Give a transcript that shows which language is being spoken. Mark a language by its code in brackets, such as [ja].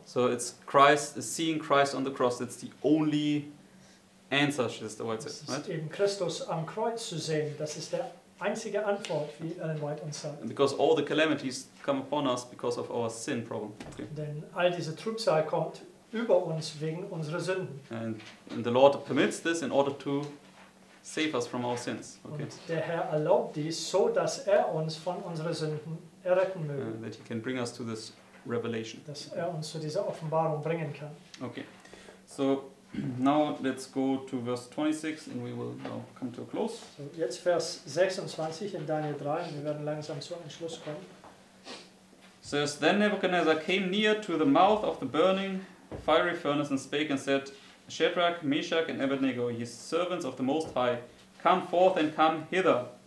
[en] So it's Christ, is seeing Christ on the cross, that's the only answer, is the word says, right? [de] Eben Christus am Kreuz zu sehen, das ist der einzige Antwort, wie Ellen White uns sagt. [en] Because all the calamities come upon us because of our sin problem. Okay. [de] Denn all diese Trübsal kommt über uns wegen unserer Sünden. [en] And the Lord permits this in order to save us from our sins. Okay. [de] Und der Herr erlaubt dies, so dass er uns von unseren Sünden erretten möge. [en] That he can bring us to this revelation. [de] Dass er uns zu dieser Offenbarung bringen kann. [en] Okay. So now let's go to verse 26 and we will now come to a close. [de] So jetzt Vers 26 in Daniel 3 und wir werden langsam zu einem Schluss kommen. [en] It says, Then Nebuchadnezzar came near to the mouth of the burning fiery furnace and spake and said, Shadrach, Meshach, and Abednego, ye servants of the Most High, come forth and come hither.